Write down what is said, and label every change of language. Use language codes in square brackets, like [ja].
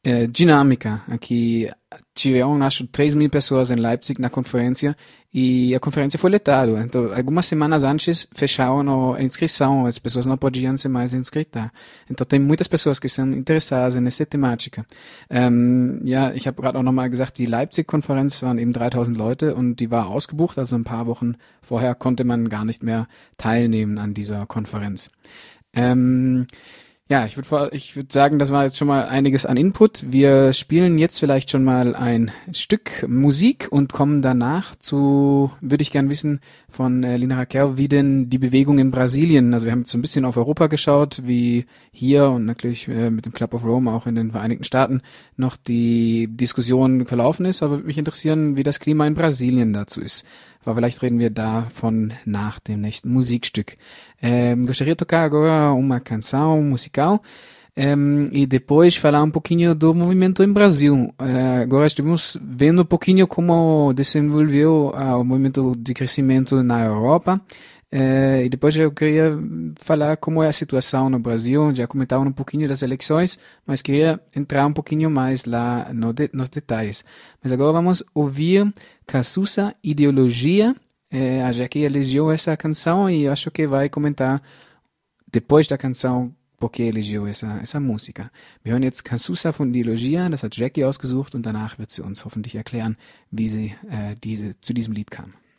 [pt] dinâmica aqui. Tiveram, acho, 3 mil pessoas em Leipzig na conferência, e a conferência foi lotada. Então, algumas semanas antes, fecharam a inscrição, as pessoas não podiam se mais inscritar. Então, tem muitas pessoas que são interessadas nessa temática. [de] Ich habe gerade auch nochmal gesagt, die Leipzig-Konferenz waren eben 3000 Leute und die war ausgebucht, also ein paar Wochen vorher konnte man gar nicht mehr teilnehmen an dieser Konferenz. Ich würde sagen, das war jetzt schon mal einiges an Input. Wir spielen jetzt vielleicht schon mal ein Stück Musik und kommen danach zu, würde ich gern wissen von Lina Raquel, wie denn die Bewegung in Brasilien, also wir haben jetzt so ein bisschen auf Europa geschaut, wie hier und natürlich mit dem Club of Rome auch in den Vereinigten Staaten noch die Diskussion verlaufen ist, aber würde mich interessieren, wie das Klima in Brasilien dazu ist. Aber vielleicht reden wir davon nach dem nächsten Musikstück. [pt] Gostaria de tocar agora uma canção musical e depois falar um pouquinho do movimento em Brasil. Agora estivemos vendo um pouquinho como desenvolveu o movimento de crescimento na Europa. E depois eu queria falar como é a situação no Brasil, já comentaram um pouquinho das eleições, mas queria entrar um pouquinho mais lá no nos detalhes. Mas agora vamos ouvir Cazuza, Ideologia, a Jaque elegeu essa canção e acho que vai comentar depois da canção porque elegeu essa música. [de] Wir hören jetzt Cazuza von Ideologia, das hat Jaque ausgesucht und danach wird sie uns hoffentlich erklären, wie sie zu diesem Lied kam.